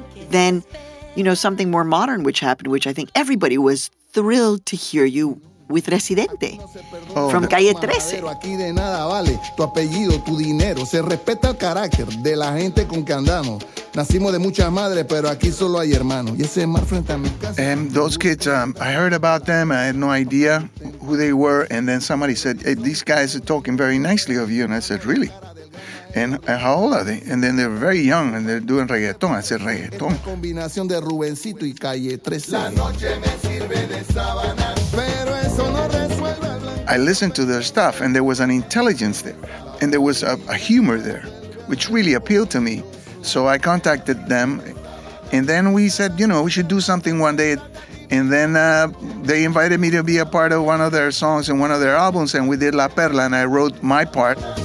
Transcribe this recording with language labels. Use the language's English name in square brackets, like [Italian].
[English] Then, you know, something more modern which happened, which I think everybody was thrilled to hear you with Residente from Calle 13. [Spanish] Aquí de nada vale tu apellido, tu dinero. Se respeta el carácter de la gente con que andamos. Nacimos de muchas madres, pero aquí solo hay hermanos. Y ese mar frente a mi casa. [English] And those kids, I heard about them. I had no idea who they were. And then somebody said, hey, these guys are talking very nicely of you. And I said, really? And how old are they? And then they're very young and they're doing reggaeton. I said, reggaeton. [Spanish] Esta combinación de Rubencito y Calle 13. La noche me sirve de sábana. [English] I listened to their stuff, and there was an intelligence there, and there was a humor there, which really appealed to me. So I contacted them, and then we said, you know, we should do something one day. And then they invited me to be a part of one of their songs and one of their albums, and we did La Perla, and I wrote my part.